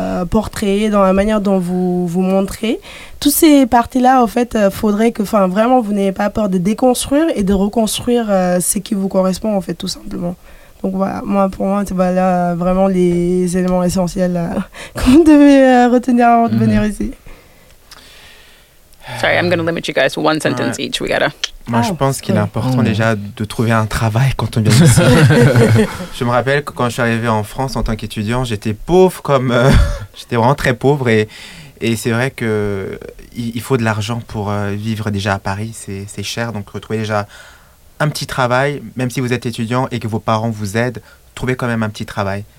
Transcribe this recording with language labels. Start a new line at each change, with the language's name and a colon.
French: portez, dans la manière dont vous vous montrez, toutes ces parties-là en fait faudrait que vraiment vous n'ayez pas peur de déconstruire et de reconstruire ce qui vous correspond en fait tout simplement. Donc voilà, moi pour moi, c'est voilà, vraiment les éléments essentiels que vous devez retenir avant de venir ici.
English: Sorry, I'm going to limit you guys to one sentence each. We gotta...
French: Moi, je pense qu'il est important déjà de trouver un travail quand on vient ici. Je me rappelle que quand je suis arrivé en France en tant qu'étudiant, j'étais pauvre comme... j'étais vraiment très pauvre et c'est vrai qu'il faut de l'argent pour vivre déjà à Paris. C'est cher, donc retrouver déjà... un petit travail, même si vous êtes étudiant et que vos parents vous aident, trouvez quand même un petit travail.